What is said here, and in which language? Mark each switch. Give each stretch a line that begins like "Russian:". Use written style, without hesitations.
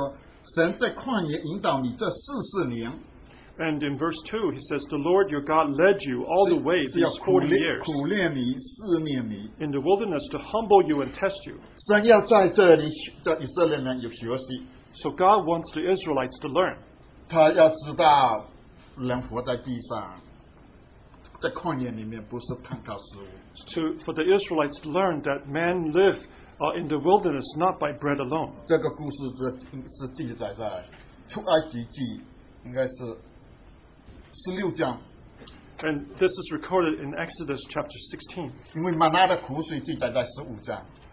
Chinese: 第二节告诉我们，他说，神在旷野引导你这40年。
English: And in verse 2, he says, the Lord your God led you all the way these 40 years.
Chinese: 苦练你,
English: in the wilderness to humble you and test you.
Chinese: 神要在这里,
English: so God wants the Israelites to learn.
Chinese: 他要知道人活在地上,
English: for the Israelites to learn that men live in the wilderness, not by bread alone.
Chinese: 这个故事是记载在出埃及记，应该是16章。
English: And this is recorded in Exodus chapter 16.
Chinese: 因为玛拿的苦水记载在15章。